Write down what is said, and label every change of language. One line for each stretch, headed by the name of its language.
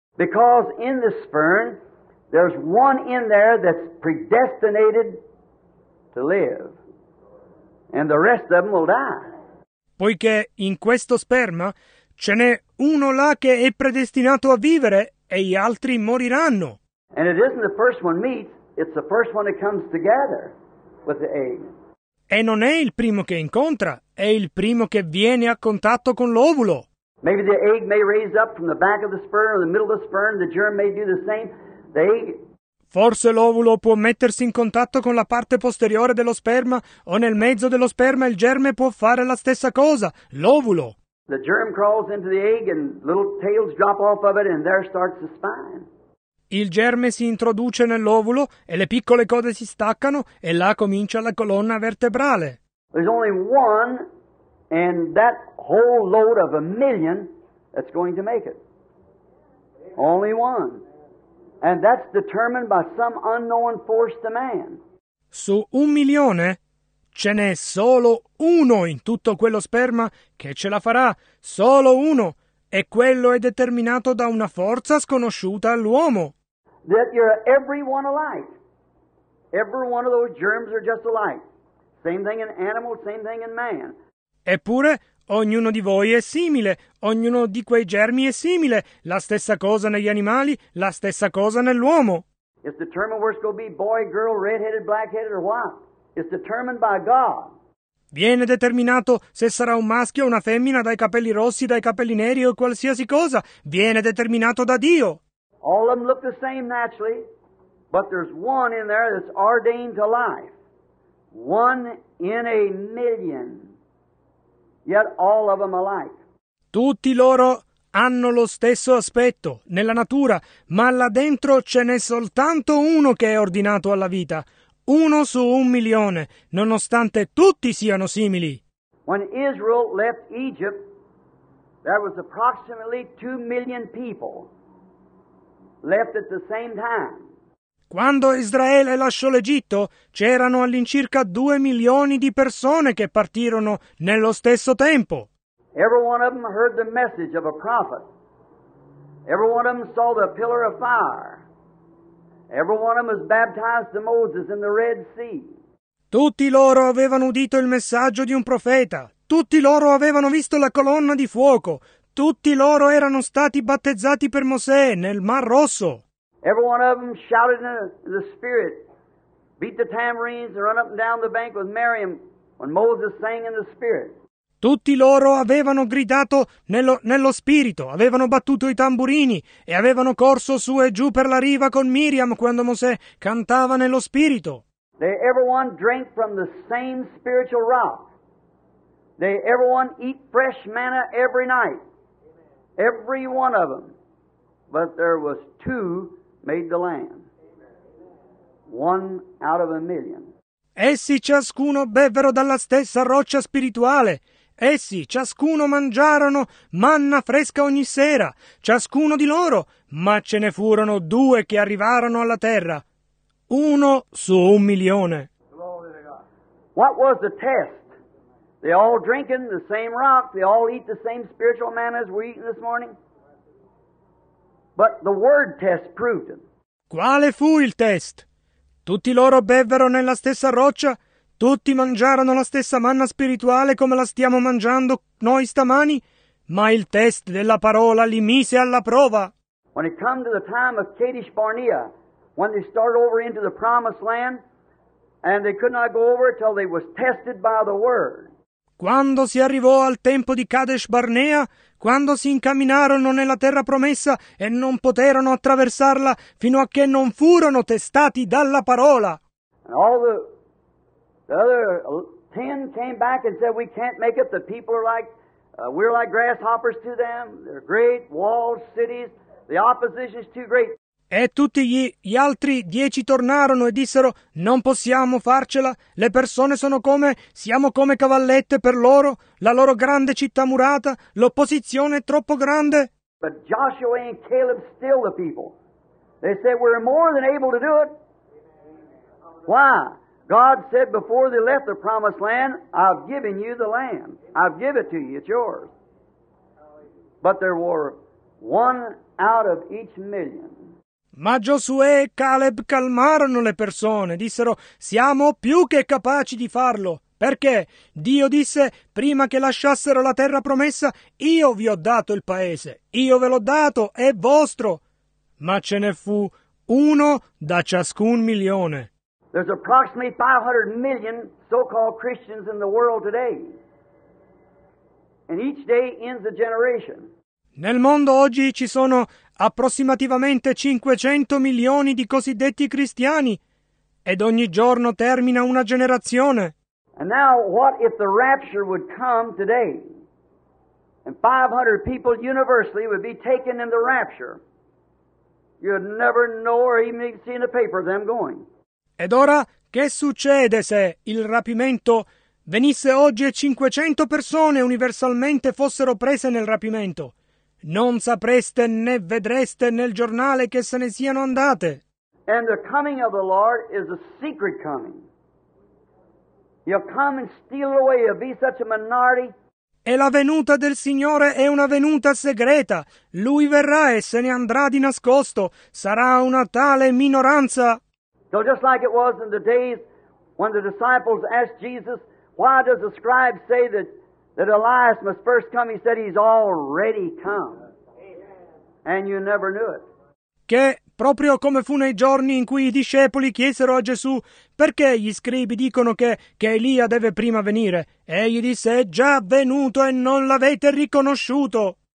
English: Because in the sperm, there's one in there that's predestinated to live, and the rest of them will die.
Italian: Poiché in questo sperma ce n'è uno là che è predestinato a vivere e gli altri moriranno.
English: And it isn't the first one meets, it's the first one that comes together with the egg.
Italian: E non è il primo che incontra, è il primo che viene a contatto con l'ovulo.
English: Maybe the egg may raise up from the back of the sperm or the middle of the sperm, the germ may do the same.
Italian: Forse l'ovulo può mettersi in contatto con la parte posteriore dello sperma o nel mezzo dello sperma il germe può fare la stessa cosa, l'ovulo.
English: The germ crawls into the egg and little tails drop off of it and there starts the spine.
Italian: Il germe si introduce nell'ovulo e le piccole code si staccano e là comincia la colonna vertebrale.
English: There's only one and that whole load of a million that's going to make it. Only one. And that's determined by some unknown force to man.
Italian: Su un milione ce n'è solo uno in tutto quello sperma che ce la farà, solo uno, e quello è determinato da una forza sconosciuta all'uomo.
English: That you're every one alike. Every one of those germs are just alike. Same thing in animal, same thing in man.
Italian: Eppure ognuno di voi è simile, ognuno di quei germi è simile, la stessa cosa negli animali, la stessa cosa nell'uomo.
English: It's determined where it's going to be boy, girl, red-headed, black-headed, or what? It's determined by God.
Italian: Viene determinato se sarà un maschio o una femmina, dai capelli rossi, dai capelli neri o qualsiasi cosa. Viene determinato da Dio.
English: All of them look the same naturally, but there's one in there that's ordained to life. One in a million. Yet all of them alike.
Italian: Tutti loro hanno lo stesso aspetto nella natura, ma là dentro ce n'è soltanto uno che è ordinato alla vita. Uno su un milione, nonostante tutti siano simili.
English: When Israel left Egypt, there was approximately 2 million people left at the same time.
Italian: Quando Israele lasciò l'Egitto, c'erano all'incirca 2 milioni di persone che partirono nello stesso tempo.
English: Every one of them heard the message of a prophet. Every one of them saw the pillar of fire. Every one of them was baptized to Moses in the Red Sea.
Italian: Tutti loro avevano udito il messaggio di un profeta. Tutti loro avevano visto la colonna di fuoco. Tutti loro erano stati battezzati per Mosè nel Mar Rosso.
English: Every one of them shouted in the spirit, beat the tambourines and run up and down the bank with Miriam when Moses sang in the spirit.
Italian: Tutti loro avevano gridato nello spirito, avevano battuto i tamburini e avevano corso su e giù per la riva con Miriam quando Mosè cantava nello spirito.
English: They everyone drank from the same spiritual rock. They everyone eat fresh manna every night. Every one of them. But there was two made the land. One out of a million.
Italian: Essi ciascuno bevvero dalla stessa roccia spirituale. Essi ciascuno mangiarono manna fresca ogni sera, ciascuno di loro, ma ce ne furono due che arrivarono alla terra. Uno su un milione.
English: What was the test? They all drinking the same rock, they all eat the same spiritual manna as we're eating this morning? But the word test proved them.
Italian: Quale fu il test? Tutti loro bevvero nella stessa roccia, tutti mangiarono la stessa manna spirituale come la stiamo mangiando noi stamani, ma il test della parola li mise alla prova.
English: When it come to the time of Kadesh Barnea, when they started over into the promised land, and they could not go over till they was tested by the word.
Italian: Quando si arrivò al tempo di Kadesh Barnea, quando si incamminarono nella terra promessa e non poterono attraversarla fino a che non furono testati dalla parola.
English: And all the other 10 came back and said, we can't make it, the people are like, we're like grasshoppers to them, they're great, walled cities, the opposition is too great.
Italian: E tutti gli altri 10 tornarono e dissero, non possiamo farcela, le persone sono come, siamo come cavallette per loro, la loro grande città murata, l'opposizione è troppo grande.
English: But Joshua and Caleb still the people. They said, we're more than able to do it. Why? God said before they left the promised land, I've given you the land. I've given it to you. It's yours. But there were one out of each million.
Italian: Ma Giosuè e Caleb calmarono le persone. Dissero, siamo più che capaci di farlo. Perché Dio disse, prima che lasciassero la terra promessa, io vi ho dato il paese. Io ve l'ho dato, è vostro. Ma ce ne fu uno da ciascun milione.
English: There's approximately 500 million so-called Christians in the world today. And each day ends a generation.
Italian: Nel mondo oggi ci sono approssimativamente 500 milioni di cosiddetti cristiani ed ogni giorno termina una generazione.
English: And now what if the rapture would come today? And 500 people universally would be taken in the rapture. You'd never know or even see in the paper them going.
Italian: Ed ora, che succede se il rapimento venisse oggi e 500 persone universalmente fossero prese nel rapimento? Non sapreste né vedreste nel giornale che se ne siano andate.
English: And the coming of the Lord is a secret coming. He'll come and steal away, he'll be such a minority.
Italian: E la venuta del Signore è una venuta segreta. Lui verrà e se ne andrà di nascosto. Sarà una tale minoranza.
English: So just like it was in the days when the disciples asked Jesus, why does the scribe say that Elias must first come? He said he's already come. And you never knew it.
Italian: Che proprio come fu nei giorni in cui i discepoli chiesero a Gesù perché gli scribi dicono che Elia deve prima venire. E gli disse, è già venuto e non l'avete riconosciuto.